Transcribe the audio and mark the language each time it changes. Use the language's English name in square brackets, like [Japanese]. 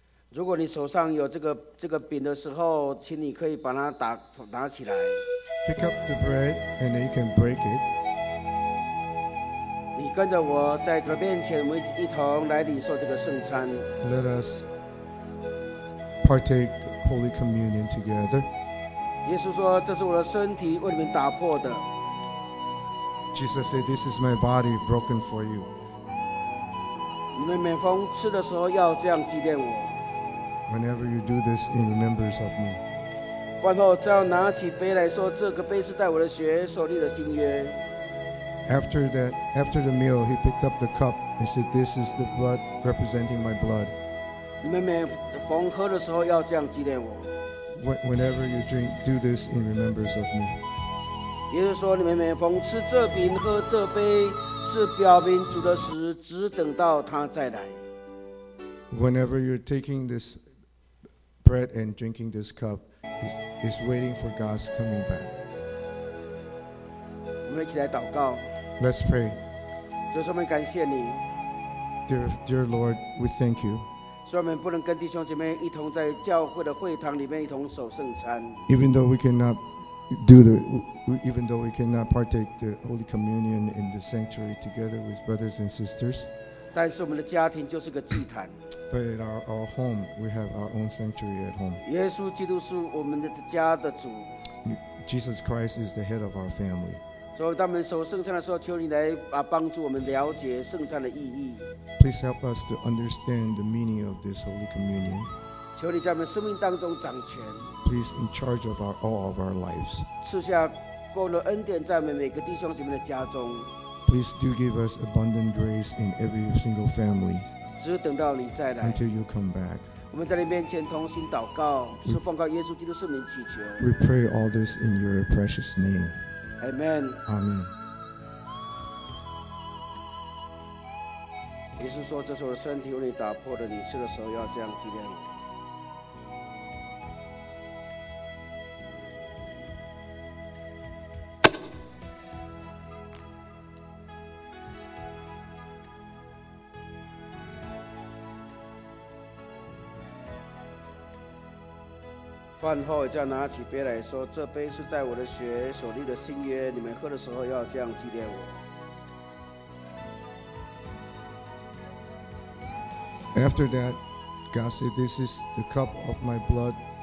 [Chinese] 如果你手上有这个饼的时候，请你可以把它拿起来。 [English] Pick up the bread and then you can break it. [Chinese] 你跟着我在这面前，我们一同来领受这个圣餐。 [English] Let us partake the Holy Communion together. [Chinese] 耶稣说：“这是我的身体，为你们打破的。” [English] Jesus said, "This is my body broken for you." [Chinese] 你们每逢吃的时候要这样纪念我。 [English] Whenever you do this in remembrance of me. [Chinese] 饭后只要拿起杯来说，这个杯是在我的血所立的新约。 [English] After the meal, he picked up the cup and said, "This is the blood representing my blood." [Chinese] 你们每逢喝的时候要这样纪念我。 [English] Whenever you drink, do this in remembrance of me. [Chinese] 也就是说，你们每逢吃这饼喝这杯。是表明主的时，只等到他再来。 [English] Whenever you're taking this bread and drinking this cup, is waiting for God's coming back. [Chinese] 我们一起来祷告。 [English] Let's pray. [Chinese] 主，我们感谢你。 [English] Dear Lord, we thank you. [Chinese] 所以我们不能跟弟兄姐妹一同在教会的会堂里面一同守圣餐。 [English] Even though we cannot do the, even though we cannot partake the Holy Communion in the sanctuary together with brothers and sisters, [Chinese] 但是我们的家庭就是个祭坛。 [English] But in our home, we have our own sanctuary at home. [Chinese] 耶稣基督是我们的家的主。 [English] Jesus Christ is the head of our family. [Chinese] 所以当我们守圣餐的时候，求你来帮助我们了解圣餐的意义。 [English] Please help us to understand the meaning of this Holy Communion. [Chinese] 求你在我们生命当中掌权。 [English] Please in charge of our, all of our lives. [Chinese] 赐下够了恩典在我们每个弟兄姐妹的家中。 [English] Please do give us abundant grace in every single family. [Chinese] 只等到你再来。 [English] Until you come back. [Chinese] 我们在你面前同心祷告，是奉靠耶稣基督圣名祈求。 [English] We pray all this in your precious name. Amen. Amen. [Chinese] 耶稣说：“这是我的身体，为你打破的，你吃的时候要这样纪念。” 饭后再拿起杯来说，这杯是在我的血所立的新约，你们喝的时候要这样纪念我。 [English] After that, God said, this is the cup of my blood.